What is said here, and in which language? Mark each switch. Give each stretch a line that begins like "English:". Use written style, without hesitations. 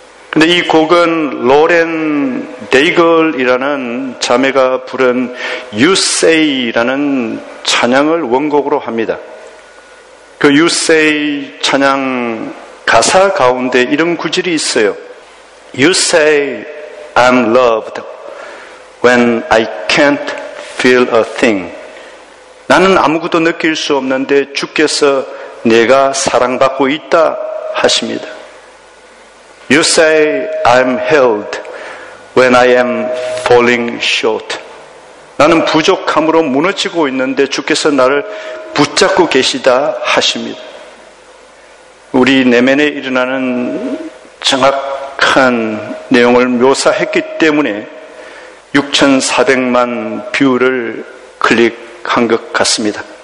Korean: 근데 이 곡은 로렌 데이글이라는 자매가 부른 You Say라는 찬양을 원곡으로 합니다. 그 You Say 찬양 가사 가운데 이런 구절이 있어요.
English: You say I'm loved when I can't feel a thing.
Korean: 나는 아무것도 느낄 수 없는데 주께서 내가 사랑받고 있다 하십니다.
English: You say I'm held when I am falling short.
Korean: 나는 부족함으로 무너지고 있는데 주께서 나를 붙잡고 계시다 하십니다. 우리 내면에 일어나는 정확한 내용을 묘사했기 때문에 6,400만 뷰를 클릭한 것 같습니다.